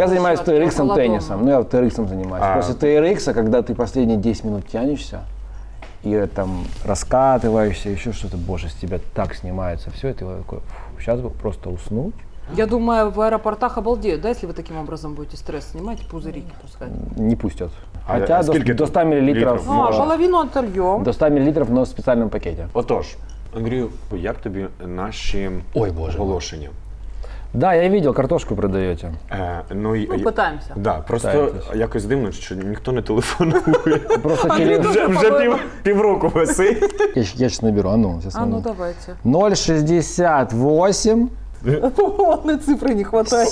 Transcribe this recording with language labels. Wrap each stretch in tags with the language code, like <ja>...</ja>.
<ru>Я занимаюсь ТРХом, теннисом. Ну, я ТРХом занимаюсь. После ТРХа, когда ты последние 10 минут тянешься, и там раскатываешься, еще что-то, боже, с тебя так снимается все, и ты такой, сейчас бы просто уснуть. Я думаю, в аэропортах обалдеют, да, если вы таким образом будете стресс снимать, пузырики пускать? Не пустят. Хотя до 100 миллилитров. Литров? Половину отольем. До 100 миллилитров, но в специальном пакете.</ru> <uk>Отож, Андрію, як тобі наші оголошення?</uk> <ru>Да, я видел, картошку продаете. Пытаемся. Да, просто пытаемся.</ru> <uk>Якось дивно,</uk> <ru>что никто не</ru> <uk>телефонует. Просто телефон. Уже півроку висить.</uk> <ru>Я сейчас наберу, а ну. Сейчас а ну давайте. 068. Одной цифры не хватает.</ru>